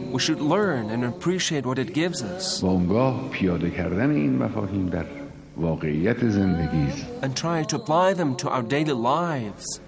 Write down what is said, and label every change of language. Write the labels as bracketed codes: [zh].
[en] We should learn and appreciate what it gives us. [fa] و آنگاه پیاده کردن این مفاهیم در واقعیت زندگی. [en] And try to apply them to our daily lives.